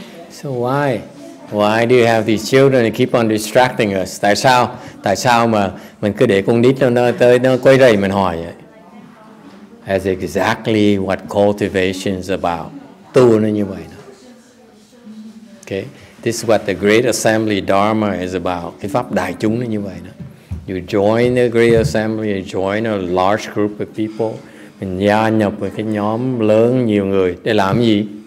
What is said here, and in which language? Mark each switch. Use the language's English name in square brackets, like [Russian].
[English] So why? Why do you have these children that keep on distracting us? [Vietnamese] Tại sao? Tại sao mà mình cứ để con nít nó tới nó quấy rầy mình hỏi vậy? [English] That's exactly what cultivation is about. [Vietnamese] Tu nó như vậy đó. [English] Okay? This is what the Great Assembly Dharma is about. [Vietnamese] Cái pháp đại chúng nó như vậy đó. [English] You join the Great Assembly, you join a large group of people. [Vietnamese] Mình gia nhập với cái nhóm lớn nhiều người để làm gì?